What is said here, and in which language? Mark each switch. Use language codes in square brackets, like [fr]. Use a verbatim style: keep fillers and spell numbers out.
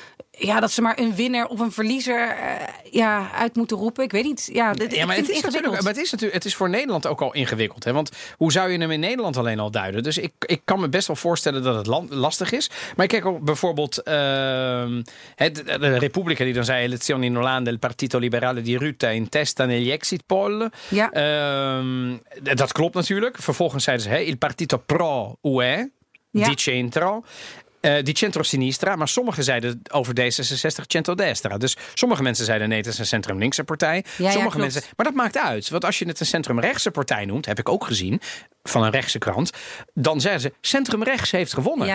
[nl] Ja, dat ze maar een winnaar of een verliezer uh, ja, uit moeten roepen. Ik weet niet. Ja, dit, ja, maar, ik het is natuurlijk, maar het is natuurlijk, het is voor Nederland ook al ingewikkeld. Hè? Want hoe zou je hem in Nederland alleen al duiden? Dus ik, ik kan me best wel voorstellen dat het land, lastig is. Maar ik kijk ook bijvoorbeeld uh, het, de, de Repubblica die dan zei... [it] Elezioni in Hollande, il Partito Liberale di Rutte in testa negli exit poll. [nl] Ja. Uh, d- dat klopt natuurlijk. Vervolgens zeiden ze, hey, [it] il Partito Pro U E, [nl] ja. di Centro... Uh, die centro-sinistra, maar sommigen zeiden over D zesenzestig centro-destra. Dus sommige mensen zeiden nee, het is een centrum-linkse partij. Ja, sommige ja, mensen, maar dat maakt uit. Want als je het een centrum-rechtse partij noemt, heb ik ook gezien, van een rechtse krant, dan zeiden ze, centrum-rechts heeft gewonnen.